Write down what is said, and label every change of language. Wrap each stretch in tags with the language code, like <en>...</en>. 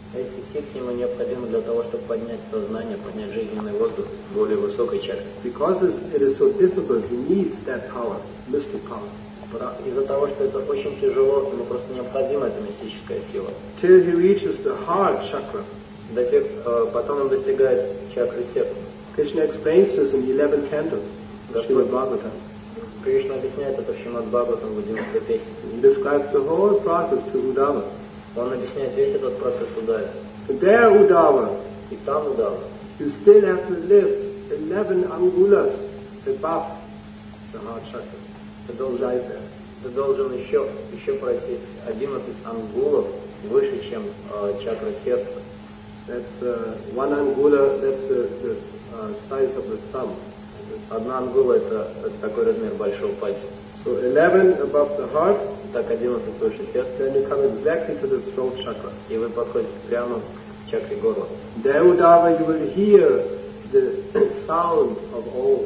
<ru>Эти сети ему необходимы для того, чтобы поднять сознание, поднять жизненный воздух в более высокой чаше.</ru> <en>Because it is so difficult, he needs that power, mystic power.</en> <ru>Из-за того, что это очень тяжело, ему просто необходима эта мистическая сила.</ru> <en>Till he reaches the heart chakra.</en> <ru>До тех, потом он достигает чакры сердца.</ru> <en>Krishna explains this in the 11th canto, Srimad Bhagavatam.</en> <ru>Кришна объясняет это в Шримад Бхагаватам в 11-й песне.</ru> <en>He describes the whole process to Uddhava.</en> <ru>Он объясняет весь этот процесс Удаве.</ru> <en>There, Uddhava.</en> <ru>И там Удава.</ru> <en>You still have to lift 11 angulas above the heart chakra.</en> <ru>Ты должен, еще пройти 11 ангулов выше, чем чакра сердца.</ru> <en>That's one angula, that's the size of the thumb.</en> <ru>Одна ангула — это такой размер большого пальца.</ru> <en>So 11 above the heart.</en> <ru>Так 11 выше сердца.</ru> <en>And you come exactly to the throat chakra.</en> <ru>И вы подходите прямо к чакре горла.</ru> <en>There, Uddhava, you will hear the sound of Om.</en>